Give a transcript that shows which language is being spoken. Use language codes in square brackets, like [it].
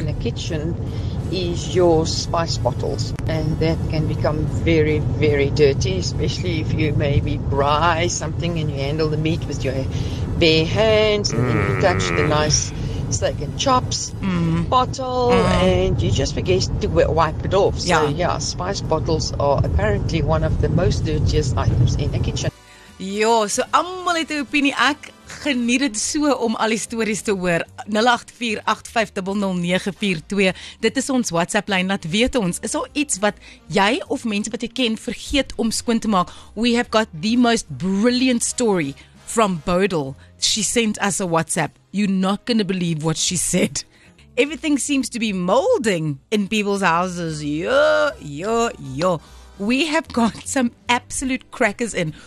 [en] In the kitchen is your spice bottles, and that can become very, very dirty, especially if you maybe braai something and you handle the meat with your bare hands and then you touch the nice steak and chops bottle and you just forget to wipe it off. Yeah. So yeah, spice bottles are apparently one of the most dirtiest items in the kitchen. [af] Yo, so almal het 'n opinie. Ek geniet dit so om al die stories te hoor. 0848500942. Dit is ons WhatsApp lyn. Laat weet ons, is daar iets wat jy of mense wat jy ken vergeet om skoon te maak? [en] We have got the most brilliant story from Bodil. She sent us a WhatsApp. You're not going to believe what she said. Everything seems to be molding in people's houses. Yo, yo, yo. We have got some absolute crackers in.